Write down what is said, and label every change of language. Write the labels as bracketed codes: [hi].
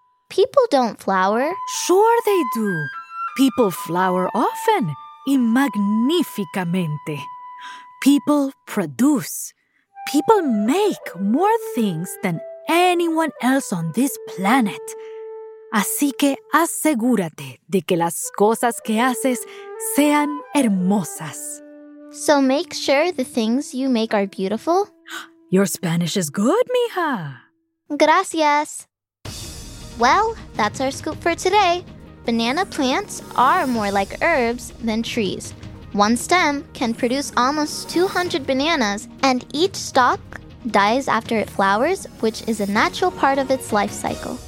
[en] People don't flower. Sure they do. People flower often y magníficamente. People produce. People make more things than anyone else on this planet. [es] Así que asegúrate de que las cosas que haces sean hermosas. [en] So make sure the things you make are beautiful. Your Spanish is good, mija. Gracias. Well, that's our scoop for today. Banana plants are more like herbs than trees. One stem can produce almost 200 bananas, and each stalk dies after it flowers, which is a natural part of its life cycle.